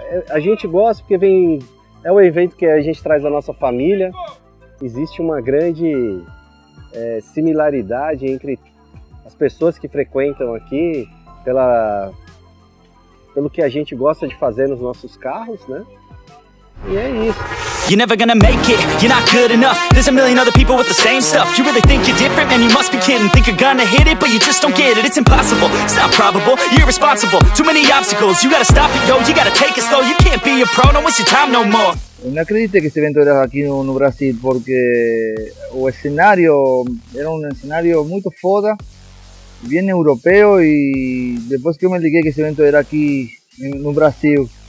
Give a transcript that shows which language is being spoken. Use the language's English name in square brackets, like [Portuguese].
[Portuguese] A gente gosta porque é um evento que a gente traz a nossa família. Existe uma grande similaridade entre as pessoas que frequentam aqui pelo que a gente gosta de fazer nos nossos carros, né? E é isso. [English] You're never gonna make it, you're not good enough. There's a million other people with the same stuff. You really think you're different, man, you must be kidding. Think you're gonna hit it, but you just don't get it. It's impossible, it's not probable, you're irresponsible. Too many obstacles, you gotta stop it, yo. You gotta take it slow, you can't be a pro. No, waste your time no more. [Spanish] No acredité que ese evento era aquí no Brasil, porque o escenario era un escenario muy foda, bien europeo, y después que me expliqué que ese evento era aquí no Brasil.